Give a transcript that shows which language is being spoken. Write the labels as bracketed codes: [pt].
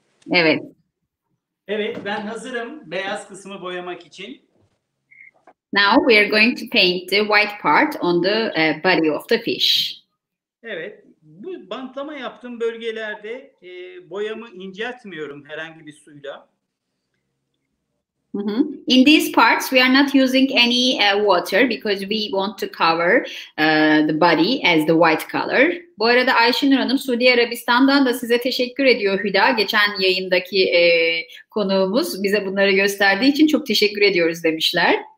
[tr] Evet. Evet, ben hazırım beyaz kısmı boyamak için. [en] Now we are going to paint the white part on the body of the fish. [tr] Evet. Bu bantlama yaptığım bölgelerde boyamı inceltmiyorum herhangi bir suyla. Mm-hmm. [en] In these parts, we are not using any water because we want to cover the body as the white color. [tr] Bu arada Ayşenur Hanım, Suudi Arabistan'dan da size teşekkür ediyor Hüda. Geçen yayındaki konuğumuz bize bunları gösterdiği için çok teşekkür ediyoruz demişler.